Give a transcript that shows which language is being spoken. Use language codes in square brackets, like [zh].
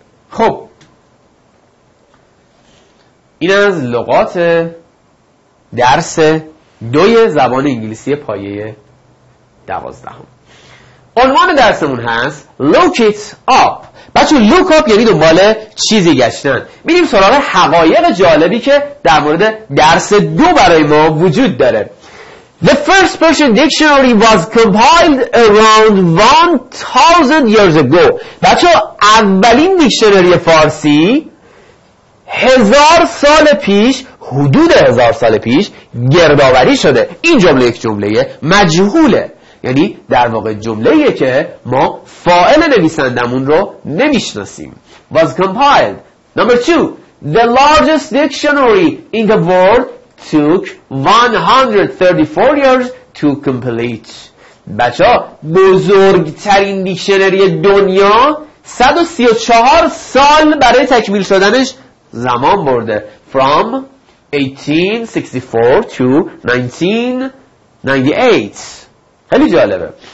[fa] خب این از لغات درس دوی زبان انگلیسی پایه 12. عنوان درسمون هست Look it up. بچه look up یعنی دنبال چیزی گشتن. میریم سراغ حقایق جالبی که در مورد درس دو برای ما وجود داره. [en] The first Persian dictionary was compiled around 1000 years ago. [fa] بچه اولین دیکشنری فارسی 1000 سال پیش، حدود 1000 سال پیش گردآوری شده. این جمله یک جمله مجهوله، یعنی در واقع جمله‌ایه که ما فاعل نویسندمون رو نمی‌شناسیم. [en] Was compiled. Number 2. The largest dictionary in the world took 134 years to complete. [fa] بچه ها بزرگترین دیکشنری دنیا 134 سال برای تکمیل شدنش زمان برده. [en] From 1864 to 1998. [fa] خیلی جالبه.